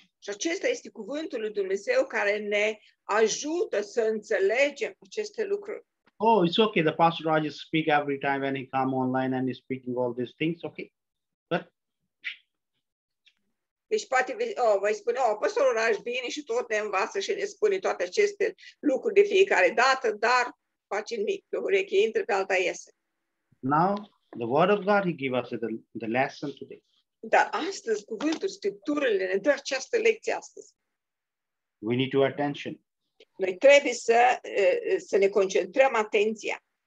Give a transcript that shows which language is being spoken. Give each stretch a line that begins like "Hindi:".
Romanian: Și acesta este cuvântul lui Dumnezeu care ne ajută să înțelegem aceste lucruri.
English: Oh, it's okay. The Pastor Rajesh speak every time when he come online and he's speaking all these things. Okay.
Romanian: Deci poate vă spune, păstorul Raj bine și tot ne învață și ne spune toate aceste lucruri de fiecare dată, dar face nimic, pe ureche intră, pe alta iese.
English: Now, the word of God, he give us the lesson today.
Romanian: Dar astăzi, cuvântul, scripturile ne dă această lecție astăzi.
English: We need to attention.
Romanian: Noi trebuie să ne concentrăm atenția.